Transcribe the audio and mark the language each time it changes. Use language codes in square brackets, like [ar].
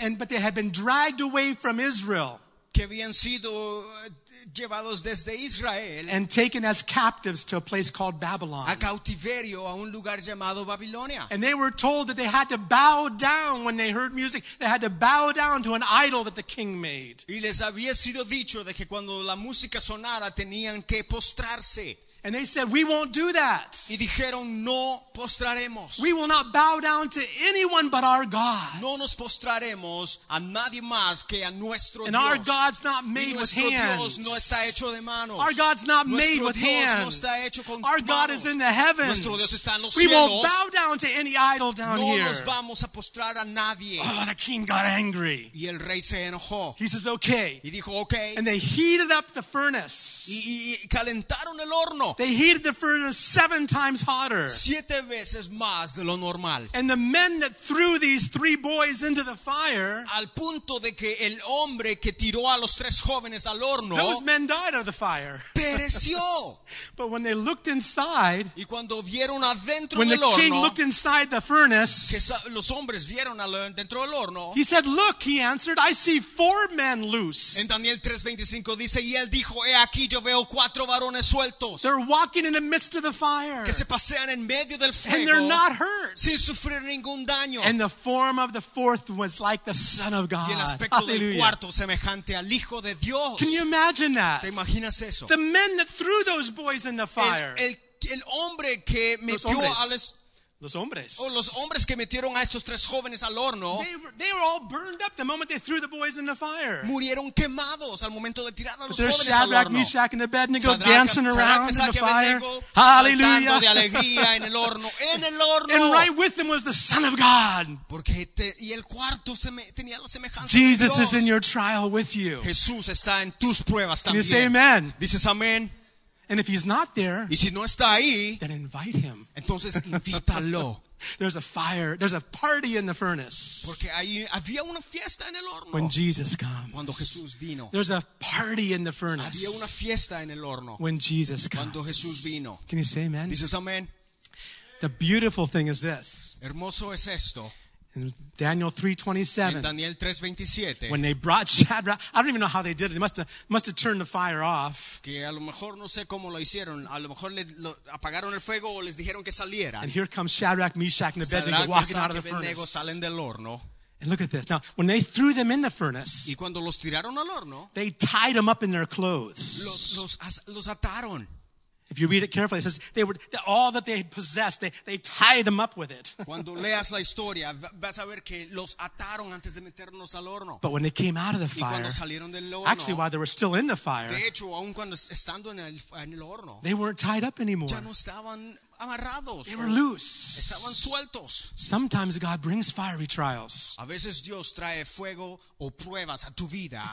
[en] But they had been dragged away from Israel. [es] Que habían sido llevados desde Israel. [en] And taken as captives to a place called Babylon. [es] A cautiverio, a un lugar llamado Babilonia. [en] And they were told that they had to bow down when they heard music. They had to bow down to an idol that the king made. [es] Y les había sido dicho de que cuando la música sonara tenían que postrarse. [en] And they said, we won't do that. [es] Y dijeron, no postraremos. [en] We will not bow down to anyone but our God. [es] No nos postraremos a nadie más que a nuestro [en] Dios. And our God's not made with hands. [es] Dios no está hecho de manos. [en] Our God's not [es] nuestro [en] made with [es] Dios [en] hands. [es] No está hecho con [en] our [es] manos. [en] God is in the heavens. [es] Nuestro Dios está en los [en] we [es] cielos. [en] Won't bow down to any idol down [es] no [en] here. [es] Nos vamos a postrar a nadie. [en] Oh, the king got angry. [es] Y el rey se enojó. [en] He says, okay. [es] Y dijo, okay. [en] And they heated up the furnace. [es] Y calentaron el horno. [en] They heated the furnace 7 times hotter. [es] 7 veces más de lo normal. [en] And the men that threw these three boys into the fire. [es] Al punto de que el hombre que tiró a los tres jóvenes al horno. [en] Those men died of the fire. [es] Pereció. [en] But when they looked inside. [es] Y cuando vieron adentro del horno. [en] When the king looked inside the furnace. [es] Que los hombres vieron dentro del horno. [en] He said, look, he answered, I see 4 men loose. [es] En Daniel 3:25 dice, y él dijo, he aquí yo veo 4 varones sueltos. [en] They're walking in the midst of the fire. [es] Que se pasean en medio del fuego. [en] And they're not hurt. [es] Sin sufrir ningún daño. [en] And the form of the fourth was like the Son of God. [es] Y el aspecto Hallelujah. Del cuarto semejante al Hijo de Dios. [en] Can you imagine that? [es] ¿Te imaginas eso? [en] The men that threw those boys in the fire. [es] El hombre que metió a los... Los hombres. O los hombres que metieron a estos tres jóvenes al horno. [en] They were all burned up the moment they threw the boys in the fire. [es] Murieron quemados al momento de tirar a los [en] But [es] jóvenes [en] Shadrach, [es] al horno. [en] Shadrach, Meshach, and Abednego dancing around [es] Shadrach, [en] in the fire. [es] Hallelujah. Saltando de alegría en el horno. En el horno. [en] And right with them was the Son of God. [es] Porque y el cuarto tenía la semejanza [en] Jesus [es] de Dios. [en] Is in your trial with you. [es] Jesús está en tus pruebas también. [en] Can you say amen? [es] Dices amén. [en] And if he's not there, [es] y si no está ahí, [en] then invite him. [es] Entonces invítalo. [en] There's a fire. There's a party in the furnace. [es] Porque ahí había una fiesta en el horno. [en] When Jesus comes. [es] Cuando Jesús vino. [en] There's a party in the furnace. [es] Había una fiesta en el horno. [en] When Jesus comes. [es] Cuando Jesús vino. [en] Can you say amen? [es] Dices amén. [en] The beautiful thing is this. [es] Hermoso es esto. [en] In Daniel 3:27. [es] Daniel 3:27. [en] When they brought Shadrach, I don't even know how they did it. They must have turned the fire off. [es] Que a lo mejor no sé cómo lo hicieron. A lo mejor lo apagaron el fuego o les dijeron que salieran. [en] And here comes Shadrach, Meshach, and Abednego walking out of the furnace. [es] Salen del horno. [en] And look at this. Now, when they threw them in the furnace, [es] y cuando los tiraron al horno, [en] they tied them up in their clothes. [es] Los ataron. [en] If you read it carefully, it says they were all that they possessed. They tied them up with it. [es] Cuando leas la historia, vas a ver que los ataron antes de meternos al horno. [en] But when they came out of the fire, [es] y cuando salieron del horno, [en] actually, while they were still in the fire, [es] de hecho, aun cuando estando en el horno, [en] they weren't tied up anymore. [es] Ya no estaban amarrados. [en] They were loose. [es] Estaban sueltos. [en] Sometimes God brings fiery trials. [es] A veces Dios trae fuego o pruebas a tu vida.